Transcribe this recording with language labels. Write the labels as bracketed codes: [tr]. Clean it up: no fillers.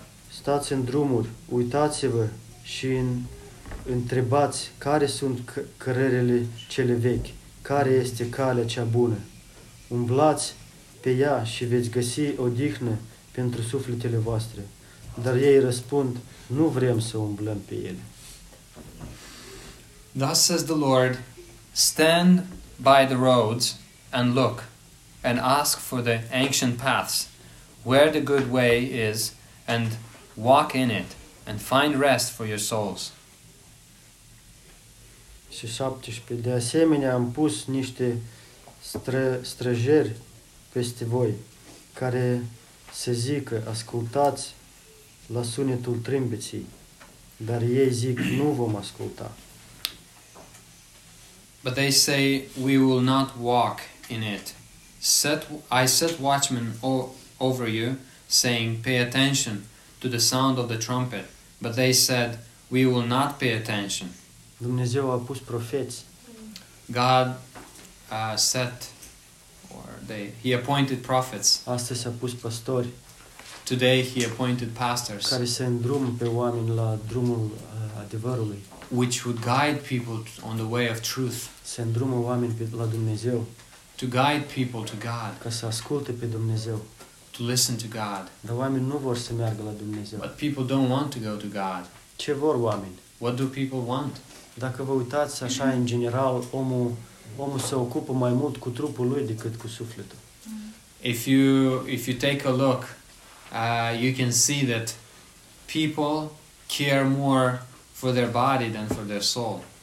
[ro] Stați în drumuri, uitați-vă și întrebați care sunt cărările cele vechi, care este calea cea bună. Umblați pe ea și veți găsi odihnă pentru sufletele voastre. Dar ei răspund, nu vrem să umblăm pe ele. [en] Thus says the Lord, stand by the roads and look and ask for the ancient paths, where the good way is, and walk in it and find rest for your souls. [ro] Și 17. De asemenea, am pus niște străjeri peste voi, care se zică, ascultați la sunetul trâmbeții, dar ei zic, nu vom asculta. [en] But they say, we will not walk in it. I set watchmen over you, saying, pay attention to the sound of the trumpet. But they said, we will not pay attention. [ro] Dumnezeu a pus profeți. [en] God set he appointed prophets. [ro] Astăzi a pus pastori. [en] Today he appointed pastors. [ro] Care să îndrumă pe oameni la drumul adevărului. [en] Which would guide people on the way of truth. [ro] Să îndrumă oameni pe la Dumnezeu. [en] To guide people to God. [ro] Ca să asculte pe Dumnezeu. [en] To listen to God. [ro] Dar oamenii nu vor să meargă la Dumnezeu. [en] But people don't want to go to God. [ro] Ce vor oameni? [en] What do people want? [ro] Dacă vă uitați așa în general, omul se ocupă mai mult cu trupul lui decât cu sufletul. [en] If you take a look, you can see that people care more for their body than for their soul.